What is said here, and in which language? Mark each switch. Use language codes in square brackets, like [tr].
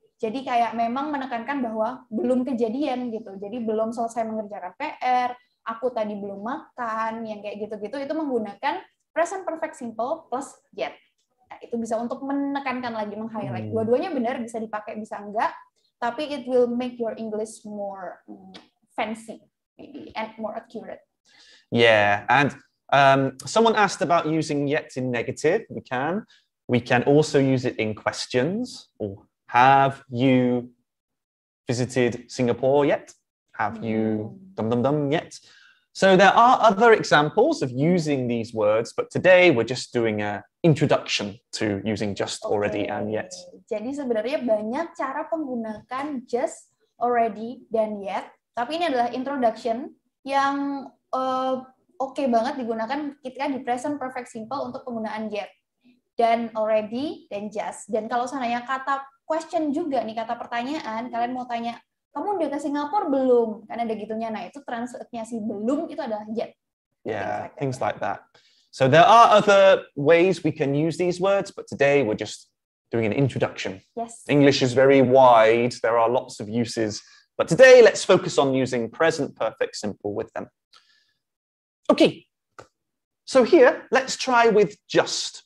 [id] Jadi kayak memang menekankan bahwa belum kejadian gitu. Jadi belum selesai mengerjakan PR, aku tadi belum makan, yang kayak gitu-gitu, itu menggunakan present perfect simple plus yet. Nah, itu bisa untuk menekankan lagi, meng-highlight. Dua-duanya benar, bisa dipakai, bisa enggak. Tapi [en] it will make your English more fancy, maybe, and more accurate. Yeah, and someone asked about using yet in negative. We can. We can also use it in questions. Or have you visited Singapore yet? Have you dum-dum-dum yet? So there are other examples of using these words, but today we're just doing an introduction to using just, okay, already, and yet. [id] Jadi sebenarnya banyak cara menggunakan just, already, dan yet. Tapi ini adalah introduction yang okay banget digunakan ketika di present perfect simple untuk penggunaan yet, dan already, dan just. Dan kalau sananya kata question juga nih, kata pertanyaan, kalian mau tanya, kamu udah ke Singapura belum? Kan ada gitunya. Nah, itu translate-nya si belum itu adalah yet. [en] Yeah, things like that. So there are other ways we can use these words, but today we're just doing an introduction. Yes. English is very wide. There are lots of uses. But today, let's focus on using present perfect simple with them. Okay. So here, let's try with just.